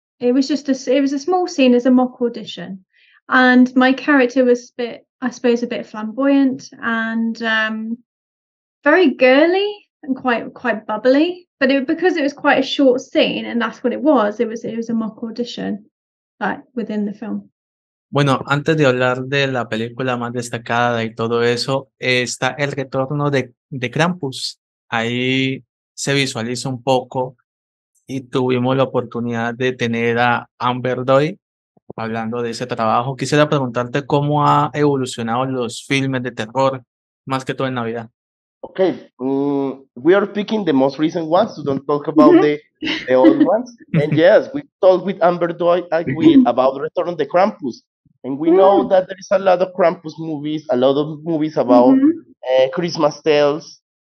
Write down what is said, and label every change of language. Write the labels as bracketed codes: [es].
[en] It was a small scene as a mock audition. And my character was a bit flamboyant and very girly and quite bubbly, but because it was quite a short scene, and that's what it was a mock audition, like within the film. [es] Bueno, antes de hablar de la película más destacada y todo eso, está el retorno de Krampus. Ahí se visualiza un poco y tuvimos la oportunidad de tener a Amber Doy hablando de ese trabajo. Quisiera preguntarte cómo ha evolucionado los filmes de terror, más que todo en Navidad. [en] Okay, we are picking the most recent ones, so don't talk about the old ones. And yes, we talked with Amber Doy about Return of the Krampus. And we know that there is a lot of Krampus movies, a lot of movies about Christmas tales.